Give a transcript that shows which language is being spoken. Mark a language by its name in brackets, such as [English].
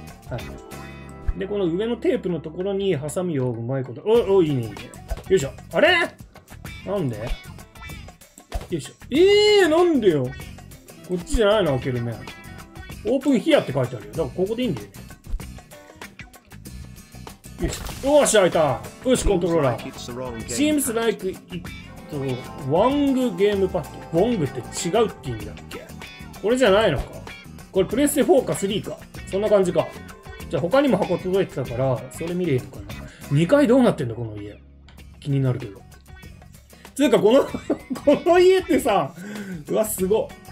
[Japanese] はい。で、この上のテープのところにハサミをうまいこと。お、いいね、いいね。よいしょ。あれ？なんで？よいしょ。なんでよ。こっちじゃないの、開けるね。オープンヒアって書いてあるよ。だからここでいいんだよね。よいしょ。おーし、開いた。よし、コントローラー。 [English] Seems like it's wrong game pad。 [Japanese] wrong って違うって意味だっけ？これじゃないのか。これ、プレステ4か3か。そんな感じか。じゃあ、他にも箱届いてたから、それ見ればいいのかな。2階どうなってんだ、この家。気になるけど。つうか、この、この家ってさ、うわ、すご。